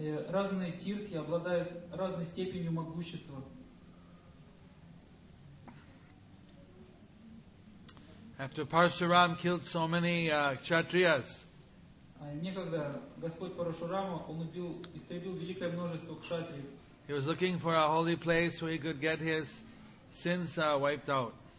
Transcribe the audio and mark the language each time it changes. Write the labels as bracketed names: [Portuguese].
[Russian] Разные тиртхи обладают разной степенью могущества. [English] After Parashuram killed so many kshatriyas, [Russian] некогда Господь Парашурама он убил, истребил великое множество кшатрий. [English] He was looking for a holy place where he could get his sins wiped out.